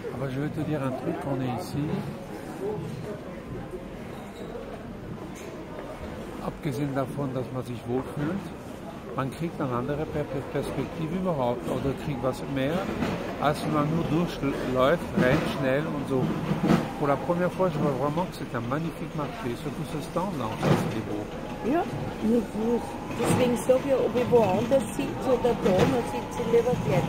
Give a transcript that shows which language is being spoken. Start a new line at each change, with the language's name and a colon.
French: Je vais te dire un truc, on est ici.
German: Abgesehen davon, dass man sich wohlfühlt, man kriegt eine andere Perspektive überhaupt oder kriegt was mehr, als wenn man nur durchläuft, rein schnell und so.
French: Pour la première fois, je vois vraiment que c'est un magnifique marché, surtout ce stand-là, en face des beaux.
German: Ja, nicht gut. Deswegen sag ich, ob ich woanders sitze oder da, man sitze lieber gleich